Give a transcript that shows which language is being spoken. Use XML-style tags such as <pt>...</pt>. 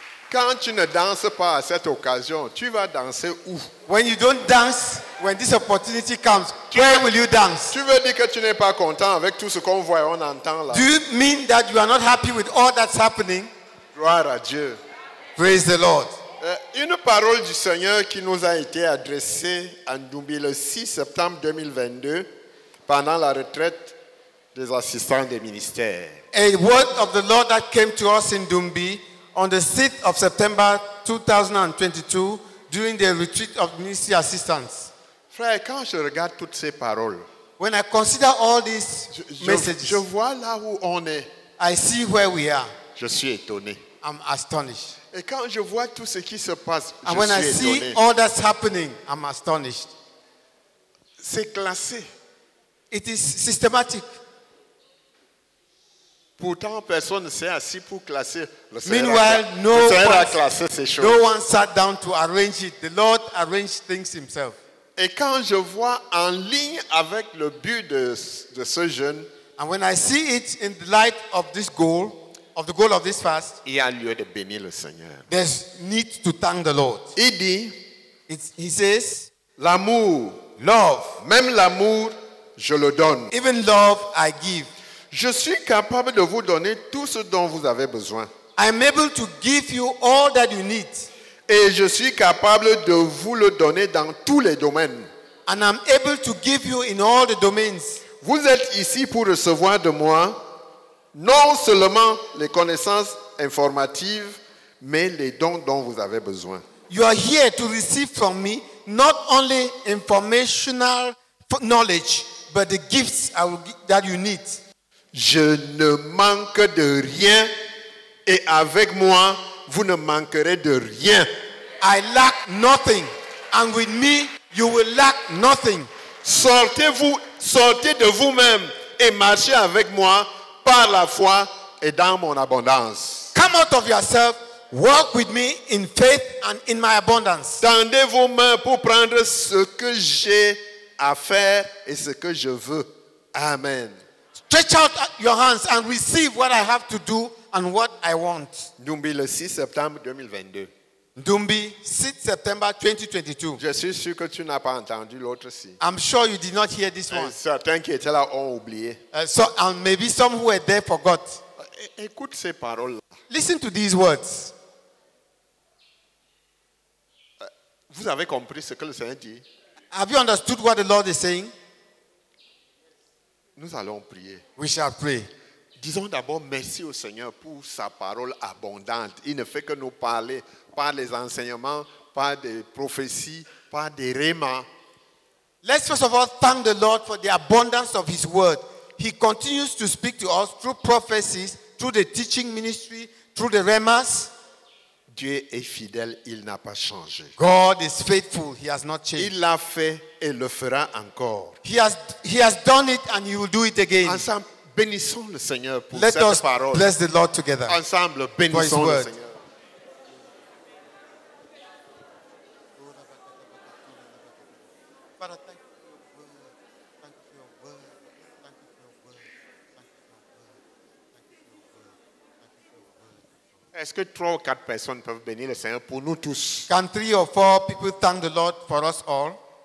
<fr>Quand tu ne danses pas à cette occasion, tu vas danser où?</fr> <en>When you don't dance, when this opportunity comes, where will you dance?</en> <fr>Tu veux dire que tu n'es pas content avec tout ce qu'on voit et on entend là?</fr> <en>Do you mean that you are not happy with all that's happening?</en> <fr>Gloire à Dieu.</fr> <en>Praise the Lord.</en> <fr>Une parole du Seigneur qui nous a été adressée en Doumbé le 6 septembre 2022. Pendant la retraite des assistants des ministères.</fr> <en>A word of the Lord that came to us in Dumbi on the 6th of September 2022 during the retreat of ministry assistants.</en> <fr>Frère, quand je regarde toutes ces paroles,</fr> <en>when I consider all these messages,</en> <fr>je vois là où on est.</fr> <en>I see where we are.</en> <fr>Je suis étonné.</fr> <en>I'm astonished.</en> <fr>Et quand je vois tout ce qui se passe,</fr> <en>and</en> <fr>je</fr> <en>when</en> <fr>suis</fr> <en>I see</en> <fr>étonné.</fr> <en>All that's happening, I'm astonished.</en> <fr>C'est classé.</fr> <en>It is systematic.</en> <fr>Pourtant, personne ne s'est assis pour classer.</fr> <en>Meanwhile, no one sat down to arrange it. The Lord arranged things himself.</en> <fr>Et quand je vois en ligne avec le but de ce jeûne,</fr> <en>and when I see it in the light of this goal, of the goal of this fast,</en> <fr>il y a lieu de bénir le Seigneur.</fr> <en>There's need to thank the Lord.</en> <fr>Il dit,</fr> <en>he says,</en> <fr>l'amour,</fr> <en>love,</en> <fr>même l'amour, je le donne.</fr> <en>Even love, I give.</en> <fr>Je suis capable de vous donner tout ce dont vous avez besoin.</fr> <en>I'm able to give you all that you need.</en> <fr>Et je suis capable de vous le donner dans tous les domaines.</fr> <en>And I'm able to give you in all the domains.</en> <fr>Vous êtes ici pour recevoir de moi non seulement les connaissances informatives, mais les dons dont vous avez besoin.</fr> <en>You are here to receive from me not only informational knowledge, but the gifts that you need.</en> <fr>Je ne manque de rien et avec moi vous ne manquerez de rien.</fr> <en>I lack nothing and with me you will lack nothing.</en> <fr>Sortez de vous-même et marchez avec moi par la foi et dans mon abondance.</fr> <en>Come out of yourself, walk with me in faith and in my abundance.</en> <fr>Tendez vos mains pour prendre ce que j'ai à faire et ce que je veux. Amen.</fr> <en>Stretch out your hands and receive what I have to do and what I want.</en> <fr>Doumbi, le 6 septembre 2022. Doumbi, 6 septembre 2022. Je suis sûr que tu n'as pas entendu l'autre si.</fr> <en>I'm sure you did not hear this one.</en> <fr>Certains qui étaient là ont oublié.</fr> <en>So, and maybe some who were there forgot.</en> <fr>Écoute ces paroles-là.</fr> <en>Listen to these words.</en> <fr>Vous avez compris ce que le Seigneur dit?</fr> <en>Have you understood what the Lord is saying?</en> <fr>Nous allons prier.</fr> <en>We shall pray.</en> <fr>Disons d'abord merci au Seigneur pour sa parole abondante. Il ne fait que nous parler par les enseignements, par des prophéties, par des rémas.</fr> <en>Let's first of all thank the Lord for the abundance of his word. He continues to speak to us through prophecies, through the teaching ministry, through the rémas.</en> <fr>Dieu est fidèle, il n'a pas changé.</fr> <en>God is faithful, he has not changed.</en> <fr>Il l'a fait et le fera encore.</fr> <en>He has done it and he will do it again.</en> <fr>Ensemble, bénissons le Seigneur pour</fr> <en>Let</en> <fr>cette</fr> <en>us</en> <fr>parole.</fr> <en>Bless the Lord together.</en> <fr>Ensemble, bénissons</fr> <en>for his word.</en> <fr>Le Seigneur. Est-ce que 3 ou 4 personnes peuvent bénir le Seigneur pour nous tous?</fr> <en>Can 3 or 4 people thank the Lord for us all?</en>